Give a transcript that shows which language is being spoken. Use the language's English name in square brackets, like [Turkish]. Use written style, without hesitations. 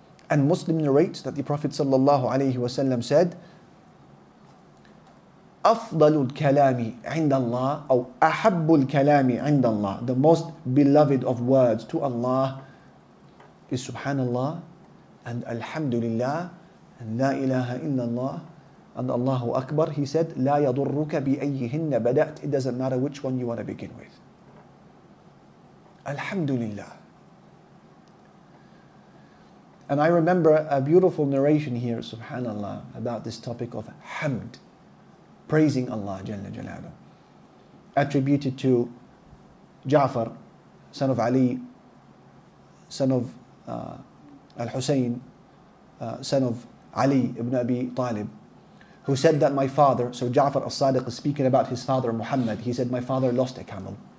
[English] And Muslim narrates that the Prophet sallallahu alayhi wa sallam said, [Arabic] أفضل الكلام عند الله أو أحب الكلام عند الله. [English] The most beloved of words to Allah is Subhanallah and Alhamdulillah and La ilaha illallah and Allahu Akbar. He said, [Arabic] لا يضرك بأيهن بدأت. [English] It doesn't matter which one you want to begin with. Alhamdulillah. And I remember a beautiful narration here, Subhanallah, about this topic of hamd. Praising Allah Jalla Jalala, attributed to Ja'far, son of Ali, son of Al-Husayn, son of Ali ibn Abi Talib, who said that my father, so Ja'far al-Sadiq is speaking about his father Muhammad, he said, my father lost a camel.